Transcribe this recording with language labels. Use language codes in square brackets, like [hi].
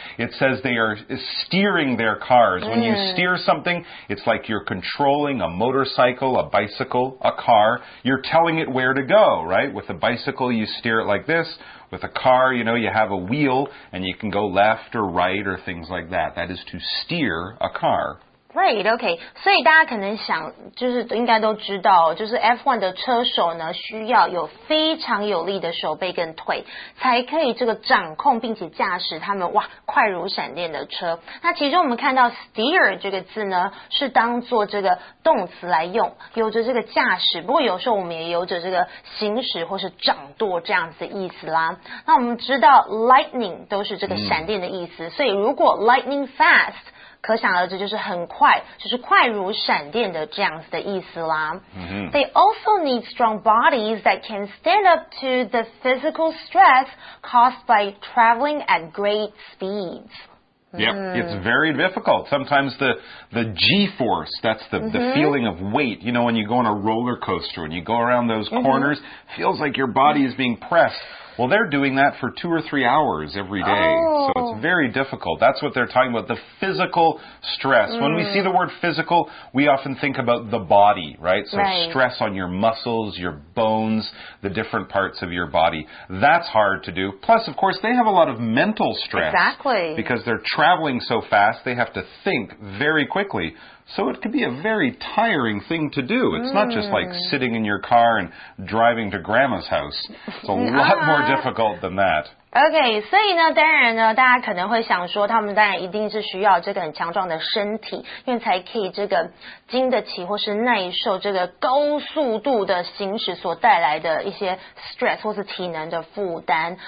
[en] It says they are steering their cars. When you steer something, it's like you're controlling a motorcycle, a bicycle, a car. You're telling it where to go, right? With a bicycle, you steer it like this. With a car, you know, you have a wheel and you can go left or right or things like that. That is to steer a car. Right, okay. [zh] 所以大家可能想，就是应该都知道，就是 F1 的车手呢，需要有非常有力的手背跟腿，才可以这个掌控并且驾驶他们哇快如闪电的车。那其中我们看到 steer 这个字呢，是当做这个动词来用，有着这个驾驶，不过有时候我们也有着这个行驶或是掌舵这样子的意思啦。那我们知道 lightning 都是这个闪电的意思，所以如果 lightning fast。可想而知就是很快，就是快如闪电的这样子的意思啦。 Mm-hmm. [en] They also need strong bodies that can stand up to the physical stress caused by traveling at great speeds. Yep, it's very difficult. Sometimes the G-force, that's the feeling of weight, you know, when you go on a roller coaster, when you go around those corners, feels like your body is being pressed. Well, they're doing that for 2 or 3 hours every day. Oh. So it's very difficult. That's what they're talking about, the physical stress. When we see the word physical, we often think about the body, right? So stress on your muscles, your bones, the different parts of your body. That's hard to do. Plus, of course, they have a lot of mental stress. Exactly. Because they're traveling so fast, they have to think very quickly. So it could be a very tiring thing to do. It's not just like sitting in your car and driving to grandma's house. It's a lot more difficult than that. [zh] OK, 所以呢，当然呢，大家可能会想说，他们当然一定是需要这个很强壮的身体，因为才可以这个经得起或是耐受这个高速度的行驶所带来的一些 stress 或是体能的负担。